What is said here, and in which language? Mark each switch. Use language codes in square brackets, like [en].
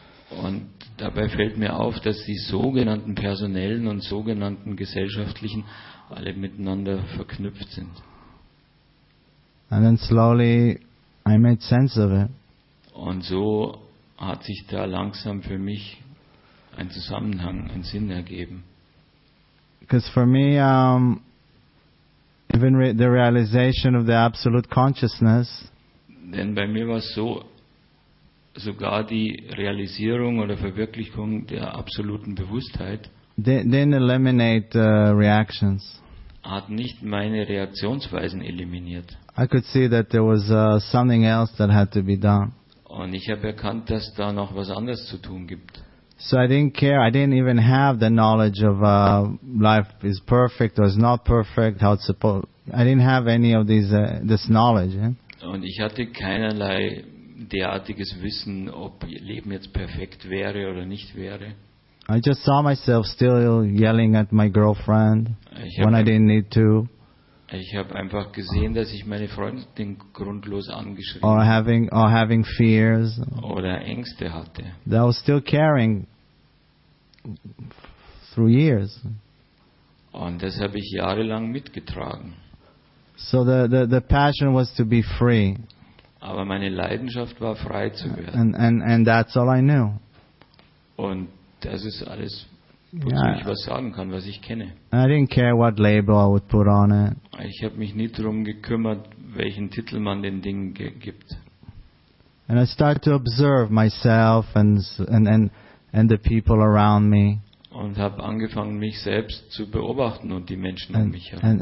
[de] Und dabei fällt mir auf, dass die sogenannten personellen und sogenannten gesellschaftlichen alle miteinander verknüpft sind. [en] And then slowly I made sense of it. [de] Und so hat sich da langsam für mich ein Zusammenhang, ein Sinn ergeben. [en] Because for me, even the realization of the absolute consciousness. [de] Denn bei mir war es so, sogar die Realisierung oder Verwirklichung der absoluten Bewusstheit [en] eliminate reactions. [de] Hat nicht meine Reaktionsweisen eliminiert. [en] I could see that there was something else that had to be done. [de] Und ich habe erkannt, dass da noch was anderes zu tun gibt. [en] So I didn't care, I didn't even have the knowledge of life is perfect or is not perfect, how it's supposed. I didn't have any of these this knowledge. [de] Und ich hatte keinerlei derartiges Wissen, ob Leben jetzt perfekt wäre oder nicht wäre. [en] I just saw myself still yelling at my girlfriend when I didn't need to. [de] Ich habe einfach gesehen, dass ich meine Freundin grundlos angeschrien. [en] Or having fears. [de] Oder Ängste hatte. [en] That I was still caring through years. [de] Und das habe ich jahrelang mitgetragen. [en] So the passion was to be free. [de] Aber meine Leidenschaft war, frei zu werden. [en] And that's all I knew. [de] Und das ist alles, wozu ich was sagen kann, was ich kenne. [en] I didn't care what label I would put on it. [de] Ich habe mich nie darum gekümmert, welchen Titel man den Dingen gibt. [en] And I started to observe myself and the people around me. [de] Und habe angefangen, mich selbst zu beobachten und die Menschen um mich herum.